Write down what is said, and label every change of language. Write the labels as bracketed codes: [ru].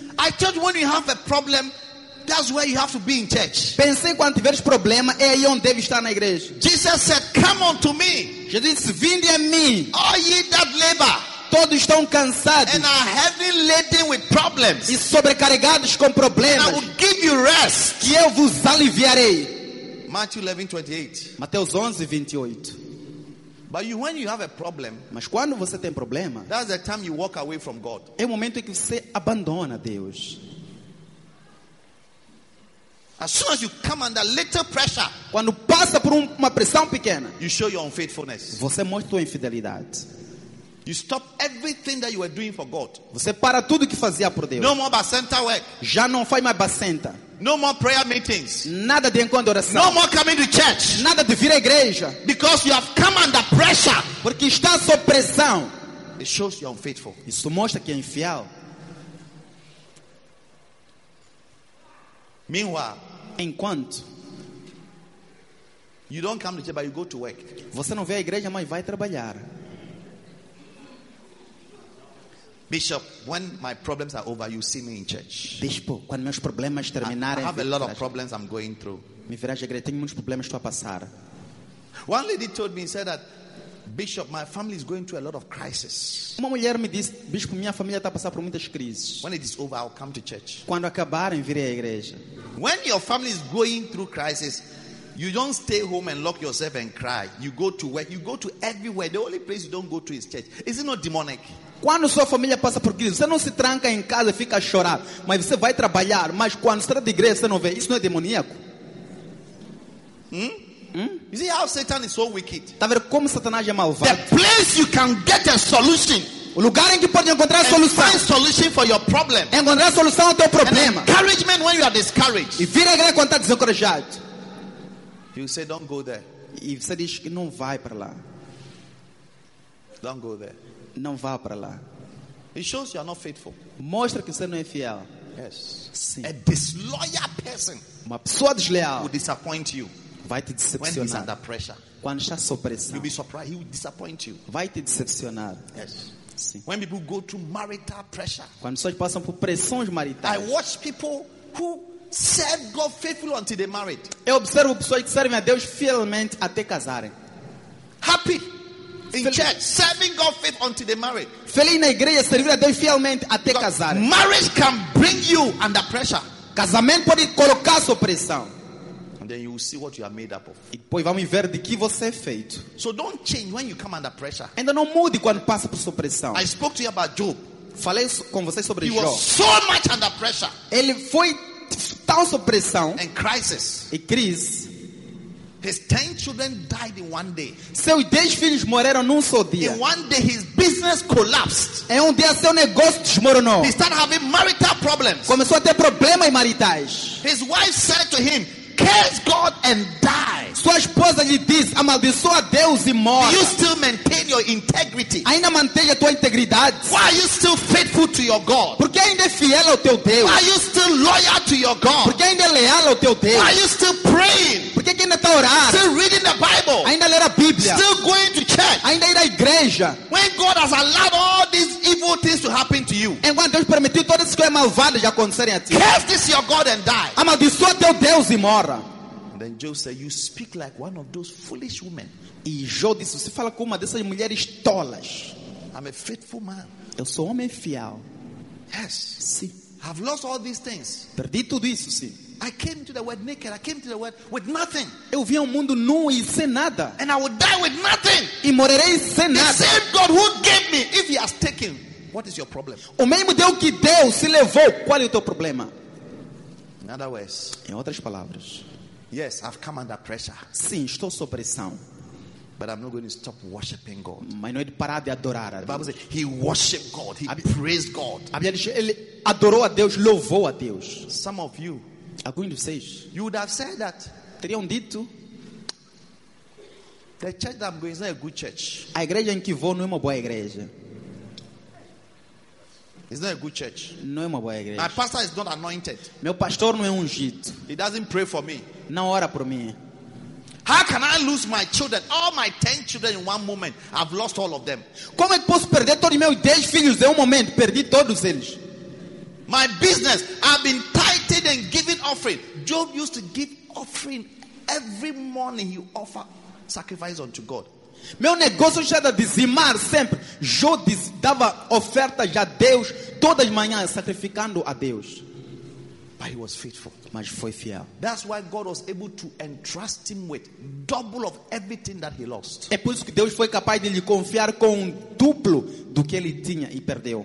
[en] I told you when you have a problem, that's where you have to be in church. [pt] Pensei quando tiveres problema é aí onde deves estar na igreja. [en] Jesus said, "Come unto me." [pt] Jesus disse, "Vinde a mim." [en] All ye that labor, [pt] todos estão cansados. [en] And are heavy laden with problems, [pt] e sobrecarregados com problemas. [en] And I will give you rest, [pt] que eu vos aliviarei. [en] Matthew 11:28. But you, when you have a problem, [pt] mas quando você tem problema, [en] that's the time you walk away from God. [pt] É o momento em que você abandona Deus. [en] As soon as you come under little pressure, [pt] quando passa por uma pressão pequena, [en] you show your unfaithfulness. [pt] Você mostra sua infidelidade. [en] You stop everything that you were doing for God. [pt] Você para tudo que fazia por Deus. [en] No more bacenta work. [pt] Já não faz mais bacenta. [en] No more prayer meetings. [pt] Nada de encontro de oração. [en] No more coming to church. [pt] Nada de vir à igreja. [en] Because you have come under pressure. [pt] Porque está sob pressão. [en] It shows you are unfaithful. [pt] Isso mostra que é infiel. [en] Meanwhile, [pt] enquanto [en] you don't come to church, but you go to work. [pt] Você não vem à igreja, mas vai trabalhar. [en] Bishop, when my problems are over, you see me in church. [pt] Bispo, quando meus problemas terminarem, [en] I have a lot of problems I'm going through. [pt] Me virá de igreja, tenho muitos problemas estou a passar. [en] One lady told me, said that, Bishop, my family is going through a lot of crisis. [pt] Uma mulher me disse, Bispo, minha família está a passar por muitas crises. [en] When it is over, I'll come to church. [pt] Quando acabarem, virei à igreja. [en] When your family is going through crisis, you don't stay home and lock yourself and cry. You go to work. You go to everywhere. The only place you don't go to is church. Is it not demonic? [pt] Quando sua família passa por crise, você não se tranca em casa e fica a chorar, mas você vai trabalhar. Mas quando está de igreja, você não vê. Isso não é demoníaco? [en] You see how Satan is so wicked. [pt] Tá vendo como Satanás é malvado? [en] The place you can get a solution. [pt] O lugar em que pode encontrar a solução. [en] Find solution for your problem. [pt] Encontrar a solução ao teu problema. [en] And encouragement when you are discouraged. [pt] E vira alegre quando está desencorajado. [en] You say don't go there. [pt] E você diz que não vai para lá. [en] Don't go there. [pt] Não vá para lá. [en] It shows you are not faithful. [pt] Mostra que você não é fiel. [en] Yes. [pt] Sim. [en] A disloyal person. [pt] Uma pessoa desleal. [en] Will disappoint you. [pt] Vai te decepcionar. [en] When he's under pressure. [pt] Quando está sob pressão. [en] You'll be surprised. He will disappoint you. [pt] Vai te decepcionar. [en] Yes. [pt] Sim. [en] When people go through marital pressure. [pt] Quando pessoas passam por pressões maritais. [en] I watch people who serve God faithfully until they married. [pt] Eu observo pessoas que servem a Deus fielmente até casarem. [en] Happy. In church, serving God faith until they marry. [pt] Feliz na igreja, servir a Deus fielmente até casar. [en] Marriage can bring you under pressure. [pt] Casamento pode colocar sob pressão. [en] And then you will see what you are made up of. [pt] E depois vamos ver de que você é feito. [en] So don't change when you come under pressure. [pt] Ainda não mude quando passa por sob pressão. [en] I spoke to you about Job. [pt] Falei com você sobre [en] Job. He was so much under pressure. [pt] Ele foi tão sob pressão. [en] And crisis. [pt] E crise. [en] His 10 children died in one day. [pt] Seus 10 filhos morreram num só dia. [en] In one day his business collapsed. [pt] Em um dia seu negócio desmoronou. [en] He started having marital problems. [pt] Começou a ter problemas em maritais. [en] His wife said to him, curse God and die. [pt] Sua esposa lhe disse, amaldiçoa Deus e morra. [en] Do you still maintain your integrity? [pt] Ainda mantém a tua integridade? [en] Why are you still faithful to your God? [pt] Por que ainda é fiel ao teu Deus? [en] Why are you still loyal to your God? [pt] Por que ainda é leal ao teu Deus? [en] Why are you still praying? [pt] Por que ainda está orando? [en] Still reading the Bible? [pt] Ainda ler a Bíblia? [en] Still going to church? [pt] Ainda ir à igreja? [en] When God has allowed all these evil things to happen to you? [pt] Enquanto Deus permitiu todas essas coisas malvadas acontecerem a ti? [en] Curse this your God and die. [pt] Amaldiçoa teu Deus e morra. [en] Then Job said, "You speak like one of those foolish women." [pt] E Job disse, você fala como uma dessas mulheres tolas. [en] I'm a faithful man. [pt] Eu sou homem fiel. [en] Yes. [pt] Sim. [en] I've lost all these things. [pt] Perdi tudo isso, sim. [en] I came to the world naked. I came to the world with nothing. [pt] Eu vim ao mundo nu e sem nada. [en] And I would die with nothing. [pt] E morrerei sem nada. [en] The same God who gave me, if He has taken, what is your problem? [pt] O mesmo Deus que deu se levou. Qual é o teu problema? [en] In other words. [pt] Em outras palavras. [en] Yes, I've come under pressure. [pt] Sim, estou sob pressão. [en] But I'm not going to stop worshiping God. [pt] Mas não é de parar de adorar. [en] The Bible says he worshiped God, he praised God. [pt] A Bíblia diz ele adorou a Deus, louvou a Deus. [en] Some of you, [pt] alguns de vocês, [en] you would have said that. [pt] Teriam dito, [en] the church that I'm going is not a good church. [pt] A igreja em que vou não é uma boa igreja. [en] It's not a good church. [pt] Não é uma boa igreja. [en] My pastor is not anointed. [pt] Meu pastor não é ungido. [en] He doesn't pray for me. [pt] Não ora por mim. [en] How can I lose my children, all my 10 children in one moment? I've lost all of them. [pt] Como é que posso perder todos meus 10 filhos em um momento? Perdi todos eles. [en] My business, I've been tithing and giving offering. Job used to give offering every morning. He offered sacrifice unto God. [pt] Meu negócio já era dizimar sempre. Jó dava oferta a Deus todas as manhãs, sacrificando a Deus. [en] But he was faithful. [pt] Mas foi fiel. [en] That's why God was able to entrust him with double of everything that he lost. [pt] É por isso que Deus foi capaz de lhe confiar com um duplo do que ele tinha e perdeu.